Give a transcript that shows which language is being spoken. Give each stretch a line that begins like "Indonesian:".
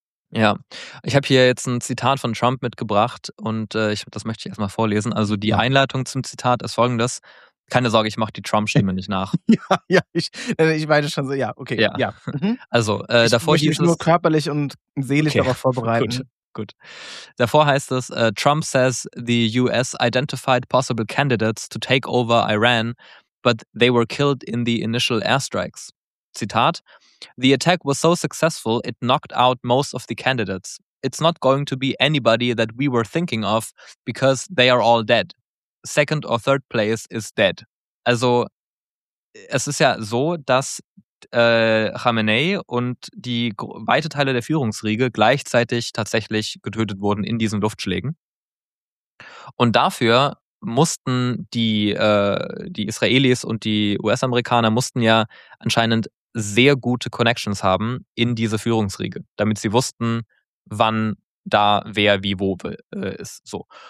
German: Ja, ich habe hier jetzt ein Zitat von Trump mitgebracht und das möchte ich erstmal vorlesen. Also die Einleitung zum Zitat ist folgendes. Keine Sorge, ich mache die Trump-Stimme nicht nach. ich meine schon so, ja, okay. Ja. Ja. Also, davor hieß es... Ich möchte mich nur körperlich und seelisch darauf vorbereiten. Gut. Davor heißt es,
English: Trump says the US identified possible candidates to take over Iran, but they were killed in the initial airstrikes. Zitat, the attack was so successful, it knocked out most of the candidates. It's not going to be anybody that we were thinking of, because they are all dead. Second or third place is dead.
German: Also es ist ja so, dass Khamenei und die weite Teile der Führungsriege gleichzeitig tatsächlich getötet wurden in diesen Luftschlägen. Und dafür mussten die Israelis und die US-Amerikaner mussten ja anscheinend sehr gute Connections haben in diese Führungsriege, damit sie wussten, wann da wer wie wo ist. So.